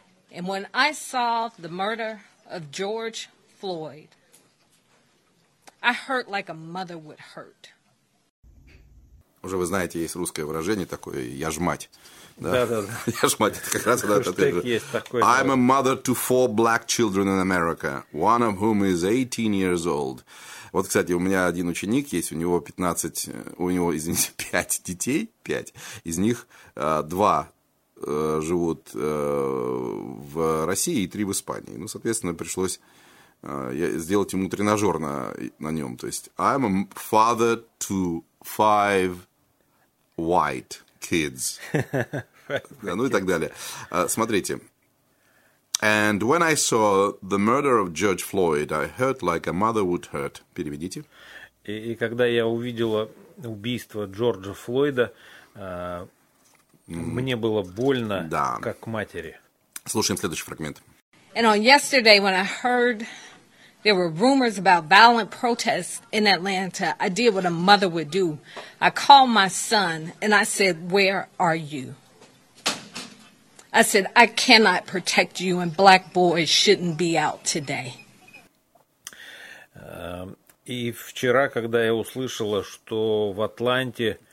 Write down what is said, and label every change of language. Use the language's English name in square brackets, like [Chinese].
[English] And when I saw the murder of George Floyd, I hurt like a mother would hurt. [Russian] Уже вы знаете, есть русское выражение такое «я ж мать». Да-да-да. «Я ж мать» – это как раз это. Штык есть такой. [English] I'm a mother to four black children in America, one of whom is 18 years old. [Russian] Вот, кстати, у меня один ученик есть, у него 5 детей, 5. Из них 2 живут в России и 3 в Испании. Ну, соответственно, пришлось сделать ему тренажер на нем. То есть, [English] I'm a father to 5 white kids. [Russian] Да, ну и так далее. Смотрите. [English] And when I saw the murder of George Floyd, I hurt like a mother would hurt. [Russian] Переведите. И когда я увидела убийство Джорджа Флойда, мне было больно, да, как матери. Слушаем следующий фрагмент. [English] And on yesterday, when I heard there were rumors about violent protests in Atlanta, I did what a mother would do. I called my son and I said, where are you? I said, I cannot protect you and black boys shouldn't be out today. [Russian] И вчера, когда я услышала, что в Атланте